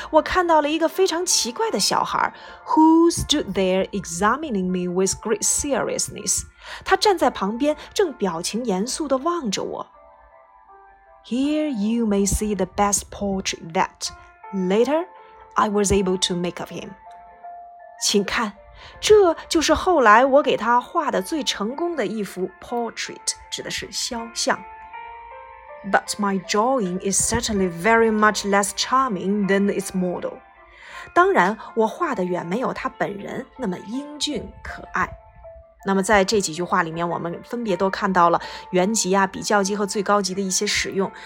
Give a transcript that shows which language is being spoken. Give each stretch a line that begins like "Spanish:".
Chinese: 我看到了一个非常奇怪的小孩
English: ,who stood there examining me with great seriousness.
Chinese: 他站在旁边，正表情严肃地望着我。
English: Here you may see the best portrait that, later,I was able to make of him.
Chinese: 请看，这就是后来我给他画的最成功的一幅 portrait, 指的是肖像。
English: But my drawing is certainly very much less charming than its model.
Chinese: 当然，我画的远没有他本人那么英俊可爱。那么在这几句话里面，我们分别都看到了原级啊、比较级和最高级的一些使用。